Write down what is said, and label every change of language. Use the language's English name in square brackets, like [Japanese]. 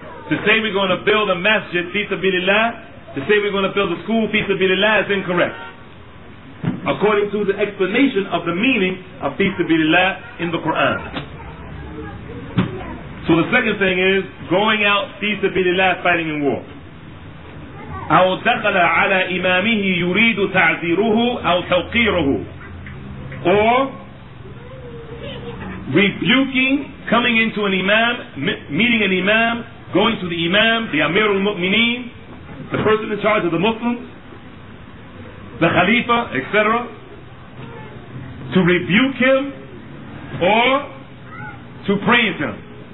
[English] To say we're going to build a masjid, fi sabilillah, to say we're going to build a school, fi sabilillah, is incorrect. According to the explanation of the meaning of fi sabilillah in the Quran. So the second thing is going out fi sabilillah fighting in war. [Arabic] أو دخل على إمامه يريد تعزيره أو توقيره. [English] Or rebuking, coming into an imam, meeting an imam, going to the imam, the Amir al-Mu'mineen, the person in charge of the Muslims, the Khalifa, etc., to rebuke him or to praise him.